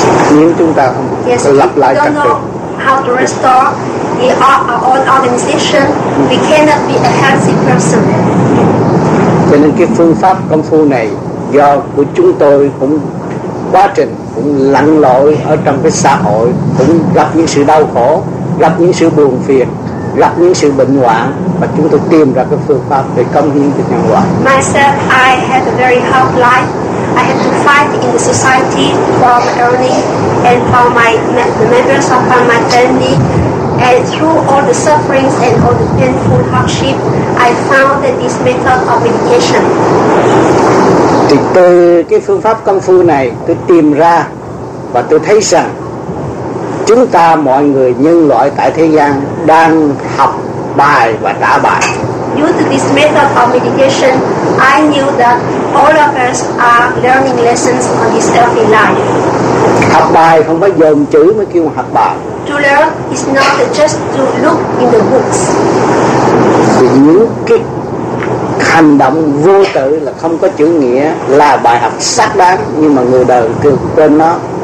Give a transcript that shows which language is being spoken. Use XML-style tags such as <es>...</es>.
<vi>nếu chúng ta không lập lại trật tự,</vi> <en>how to restore the our own organization, we cannot be a healthy person.</en> <vi>Cho nên cái phương pháp công phu này do của chúng tôi cũng quá trình cũng lặn lội ở trong cái xã hội, cũng gặp những sự đau khổ, gặp những sự buồn phiền, gặp những sự bệnh hoạn, và chúng tôi tìm ra cái phương pháp để cống hiến cho nhân loại.</vi> <en>Myself, I had a very hard life. I had to fight in the society for my earning and for my the members of my family. And through all the sufferings and all the painful hardship, I found that this method of meditation.</en> <vi>Thì từ cái phương pháp công phu này tôi tìm ra và tôi thấy rằng chúng ta mọi người nhân loại tại thế gian đang học bài và trả bài.</vi> <en>Due to this method of meditation, I knew that all of us are learning lessons on this earth in life.</en> <vi>Học bài không phải dồn chữ mới kêu học bài.</vi> <en>To learn is not just to look in the books.</en> <vi>Vì những cái hành động vô tự là không có chữ nghĩa là bài học xác đáng, nhưng mà người đời kêu quên nó.</vi>